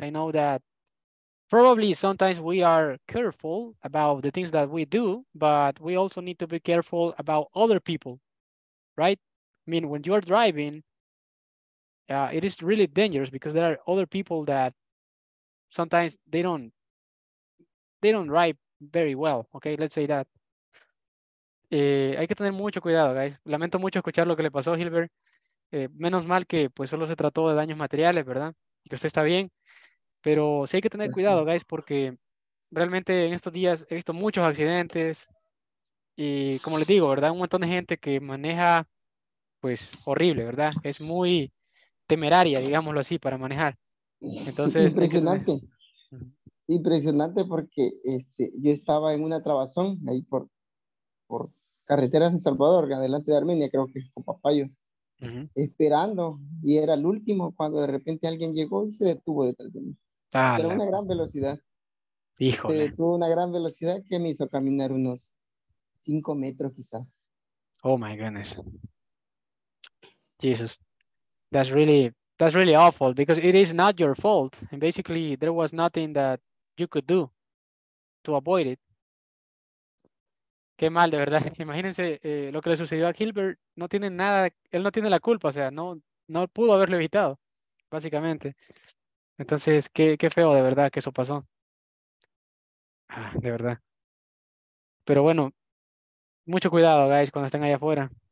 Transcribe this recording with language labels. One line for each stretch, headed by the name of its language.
English: I know that probably sometimes we are careful about the things that we do, but we also need to be careful about other people, right? I mean, when you're driving, it is really dangerous because there are other people that sometimes they don't drive very well. Okay, let's say that.
Spanish: Hay que tener mucho cuidado, guys. Lamento mucho escuchar lo que le pasó a Hilbert. Menos mal que pues solo se trató de daños materiales, ¿verdad? Y que usted está bien. Pero sí hay que tener cuidado, guys, porque realmente en estos días he visto muchos accidentes. Y como les digo, ¿verdad? Un montón de gente que maneja pues horrible, ¿verdad? Es muy temeraria, digámoslo así, para manejar. Entonces, sí, impresionante. Impresionante porque yo estaba en una trabazón ahí por carretera San Salvador, adelante de Armenia, creo que con Papayo, uh-huh. esperando, y era el último cuando de repente alguien llegó y se detuvo detrás de mí. Pero una gran velocidad. Híjole. Se detuvo una gran velocidad que me hizo caminar unos 5 metros quizá.
English: Oh my goodness. Jesus, that's really awful because it is not your fault. And basically, there was nothing that you could do to avoid it.
Spanish: Qué mal, de verdad. Imagínense lo que le sucedió a Gilbert. No tiene nada, él no tiene la culpa. O sea, no pudo haberlo evitado, básicamente. Entonces, qué feo, de verdad, que eso pasó. Ah, de verdad. Pero bueno, mucho cuidado, guys, cuando estén allá afuera.